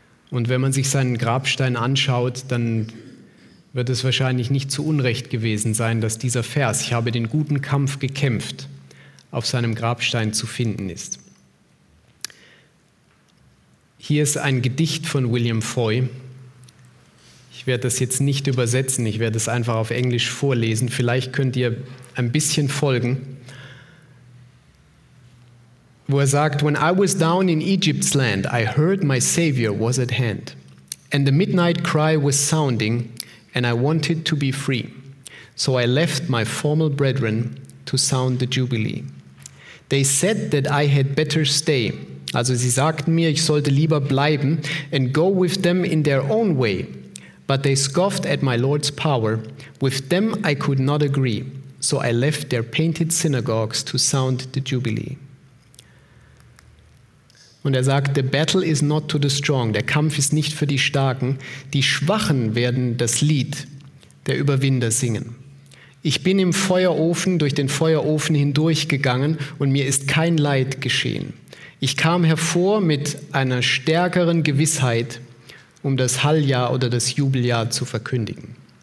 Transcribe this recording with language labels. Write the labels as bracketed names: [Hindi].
[German] Und wenn man sich seinen Grabstein anschaut, dann wird es wahrscheinlich nicht zu Unrecht gewesen sein, dass dieser Vers, ich habe den guten Kampf gekämpft, auf seinem Grabstein zu finden ist. Hier ist ein Gedicht von William Foy. Ich Ich werde das jetzt nicht übersetzen, ich werde es einfach auf Englisch vorlesen. Vielleicht könnt ihr ein bisschen folgen. Wo er sagt, [English] when I was down in Egypt's land, I heard my Savior was at hand. And the midnight cry was sounding, and I wanted to be free. So I left my former brethren to sound the Jubilee. They said that I had better stay. [German] Also sie sagten mir, ich sollte lieber bleiben, [English] and go with them in their own way. But they scoffed at my Lord's power. With them I could not agree. So I left their painted synagogues to sound the Jubilee. [German] Und er sagt, [English] the battle is not to the strong. [German] Der Kampf ist nicht für die Starken. Die Schwachen werden das Lied der Überwinder singen. Ich bin im Feuerofen, durch den Feuerofen hindurchgegangen und mir ist kein Leid geschehen. Ich kam hervor mit einer stärkeren Gewissheit, um das Halljahr oder das Jubeljahr zu verkündigen.